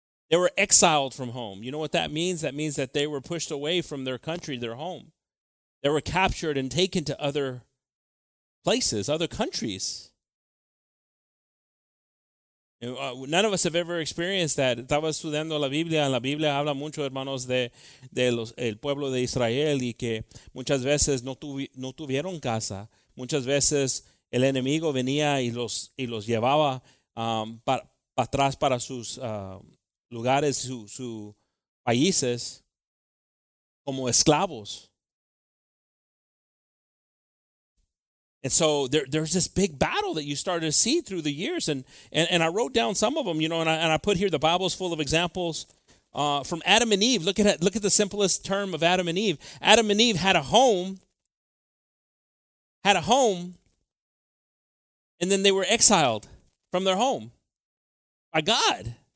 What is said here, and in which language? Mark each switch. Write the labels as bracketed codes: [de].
[en] They were exiled from home. You know what that means? That means that they were pushed away from their country, their home. They were captured and taken to other places, other countries. None of us have ever experienced that. [es] Estaba estudiando la Biblia. La Biblia habla mucho, hermanos, de los, el pueblo de Israel y que muchas veces no tuvieron casa. Muchas veces el enemigo venía y los llevaba para atrás para sus lugares, sus países, como esclavos. [en] And so there's this big battle that you started to see through the years. And I wrote down some of them, you know, and I put here the Bible's full of examples from Adam and Eve. Look at the simplest term of Adam and Eve. Adam and Eve had a home, and then they were exiled from their home by God.